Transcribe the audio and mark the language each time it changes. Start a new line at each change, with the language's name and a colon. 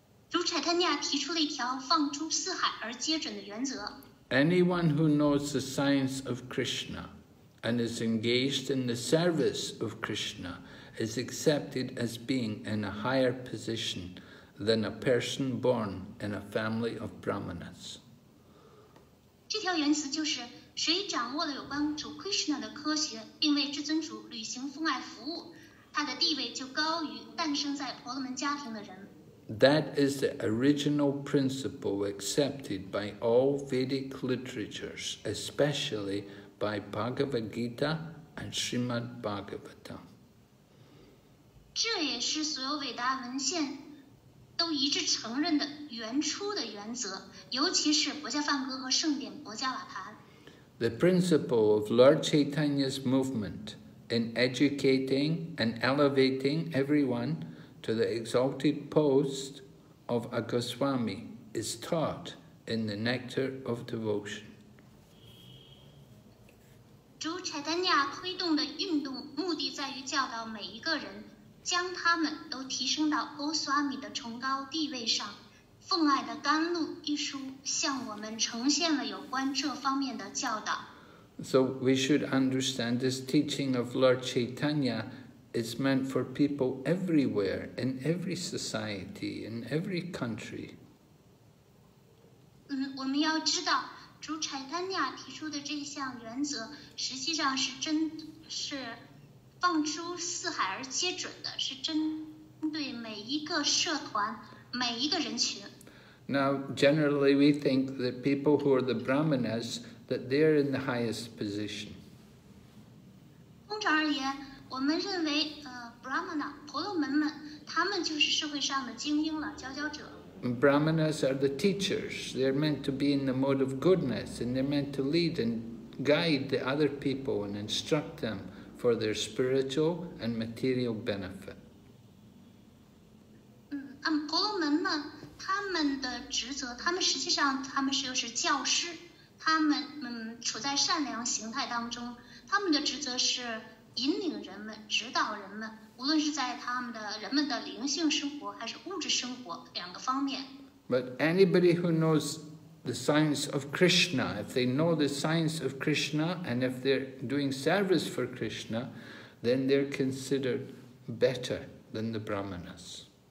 Chinese: 主柴丹尼亚提出了一条放诸四海而皆准的原则。
English: Anyone who knows the science of Krishna and is engaged in the service of Krishna is accepted as being in a higher position than a person born in a family of Brahmanas.
Chinese: 这条原则就是，谁掌握了有关主 Krishna 的科学，并为至尊主履行父爱服务，他的地位就高于诞生在婆罗门家庭的人。
English: That is the original principle accepted by all Vedic literatures, especially by Bhagavad Gita and Srimad Bhagavatam.
Chinese: 这也是所有伟大文献都一致承认的原初的原则，尤其是《薄伽梵歌》和《圣典薄伽瓦盘》。
English: The principle of Lord Chaitanya's movement in educating and elevating everyone. To the exalted post of a Goswami is taught in the Nectar of Devotion.
Chinese: 主柴丹尼亚推动的运动目的在于教导每一个人，将他们都提升到 Goswami 的崇高地位上。奉爱的甘露一书向我们呈现了有关这方面的教导。
English: So we should understand this teaching of Lord Chaitanya. It's meant for people everywhere, in every society, in every country.
Chinese: 我们要知道，主柴丹尼亚提出的这项原则，实际上是放诸四海而皆准的，是针对每一个社团、每一个人群。
English: Now, generally, we think that people who are the Brahmanas, that they are in the highest position.
Chinese: 通常而言。我们认为Brahmana, 婆罗门们，他们就是社会上的精英了，佼佼者。
English: Brahmanas are the teachers. They're meant to be in the mode of goodness, and they're meant to lead and guide the other people and instruct them for their spiritual and material benefit.
Chinese: 婆罗门们，他们的职责，他们实际上他们又是教师，他们处在善良形态当中，他们的职责是引领人们、指导人们，无论是在他们的灵性生活还是物质生活两个方面。
English: But anybody who knows the science of Krishna, if they know the science of Krishna and if they're doing service for Krishna, then they're considered better than the brahmanas.